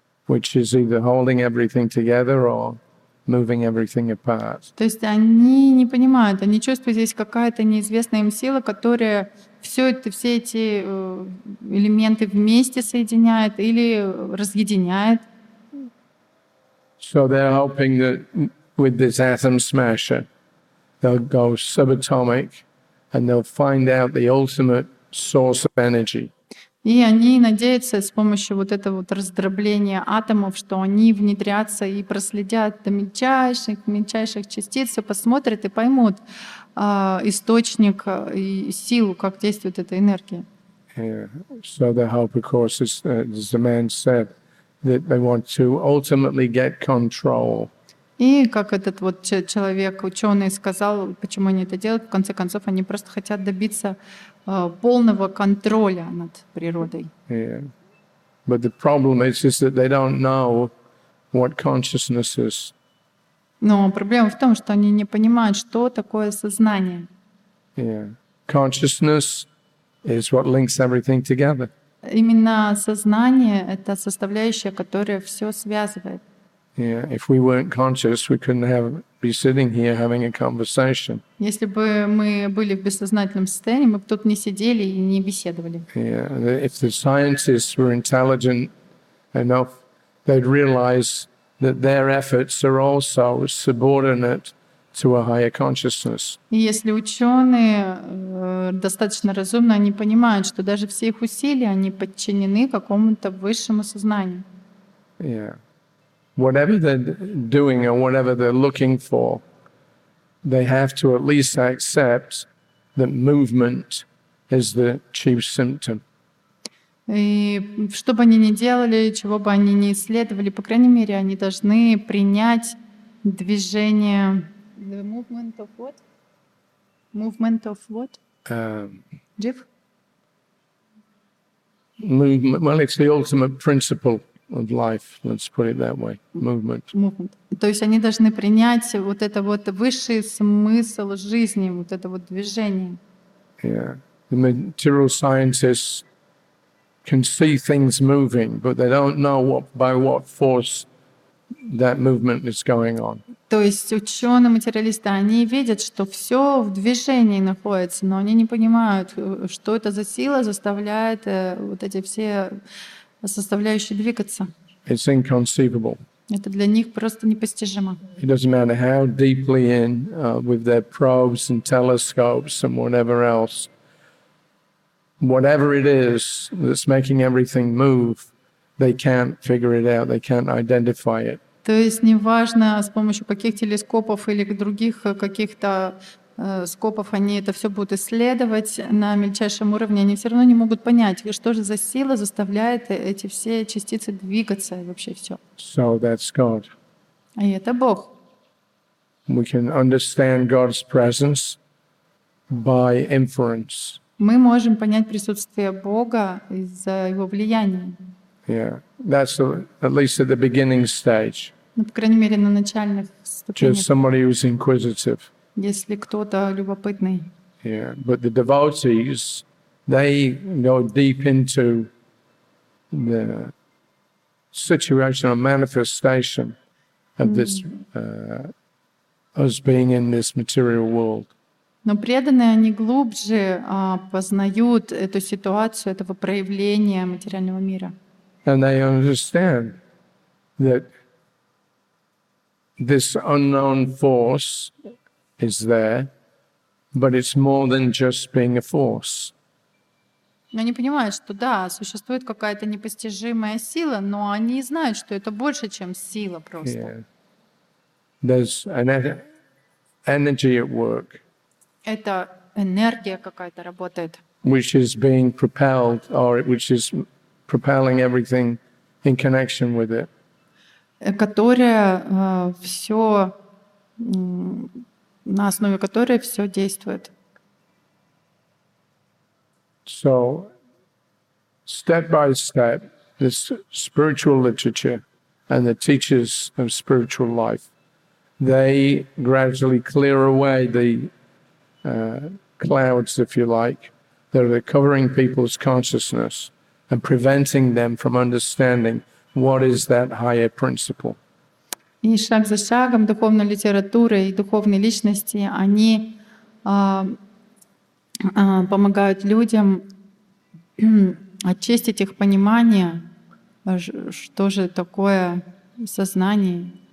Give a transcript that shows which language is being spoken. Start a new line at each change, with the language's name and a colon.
English: Which is either holding everything together or moving everything apart.
Russian: То есть они не понимают, они чувствуют здесь какая-то неизвестная им сила, которая все эти элементы вместе соединяет или разъединяет.
English: So they're hoping that with this atom smasher, they'll go subatomic and they'll find out the ultimate source of energy.
Russian: И они надеются с помощью вот этого вот раздробления атомов, что они внедрятся и проследят до мельчайших частиц, все посмотрят и поймут источник и силу, как действует эта энергия.
English: Yeah. So the hope, of course, is, as the man said, that they want to ultimately get control.
Russian: И как этот вот человек, ученый, сказал, почему они это делают, в конце концов, они просто хотят добиться полного контроля над природой.
English: Yeah. But the problem is that they don't know what consciousness is.
Russian: Но проблема в том, что они не понимают, что такое сознание.
English: Yeah. Consciousness is what links everything together.
Russian: Именно сознание — это составляющая, которая все связывает.
English: Yeah, if we weren't conscious, we couldn't be sitting here having a conversation.
Russian: Если бы мы были в бессознательном состоянии, мы бы тут не сидели и не беседовали.
English: Yeah, if the scientists were intelligent enough, they'd realize that their efforts are also subordinate to a higher consciousness.
Russian: И если ученые достаточно разумны, они понимают, что даже все их усилия, они подчинены какому-то высшему сознанию.
English: Yeah. Whatever they're doing or whatever they're looking for, they have to at least accept that movement is the chief symptom.
Russian: И что бы они ни делали, чего бы они ни исследовали, по крайней мере, они должны принять движение.
English: The movement of what? Movement of what? Jeff? Movement. Well, it's the ultimate principle. Of life, let's put it that way. Movement. Movement.
Russian: То есть они должны принять вот это вот высший смысл жизни, вот это вот движение.
English: Yeah. The material scientists can see things moving, but they don't know by what force that movement is going on.
Russian: То есть ученые-материалисты, они видят, что все в движении находится, но они не понимают, что это за сила заставляет вот эти все составляющие двигаться.
English: It's inconceivable.
Russian: Это для них просто непостижимо.
English: It doesn't matter how deeply in with their probes and telescopes and whatever else, whatever it is that's making everything move, they can't figure it out, they can't identify it.
Russian: То есть неважно, с помощью каких телескопов или других каких-то скопов они это все будут исследовать на мельчайшем уровне, они все равно не могут понять, что же за сила заставляет эти все частицы двигаться и вообще все.
English: So that's God.
Russian: И это Бог.
English: We can understand God's presence by inference.
Russian: Мы можем понять присутствие Бога из-за его влияния.
English: Yeah, that's at least at the beginning stage.
Russian: Ну, по крайней мере, на начальных ступенях.
English: Just somebody who's inquisitive.
Russian: Если кто-то любопытный.
English: Yeah, but the devotees, they go deep into the situation or manifestation of this as being in this material world.
Russian: Но преданные, они глубже познают эту ситуацию, этого проявления материального мира.
English: And they understand that this unknown force is there, but it's more than just being a force.
Russian: Они понимают, что да, существует какая-то непостижимая сила, но они знают, что это больше, чем сила просто.
English: Yeah. There's an energy at work.
Russian: Это энергия какая-то работает.
English: Which is being propelled, or which is propelling everything in connection with it.
Russian: Которая все на основе которой все действует.
English: So, step by step, this spiritual literature and the teachers of spiritual life, they gradually clear away the clouds, if you like, that are covering people's consciousness and preventing them from understanding what is that higher principle.
Russian: И шаг за шагом духовная литература и духовные личности, они помогают людям очистить их понимание, что же такое сознание.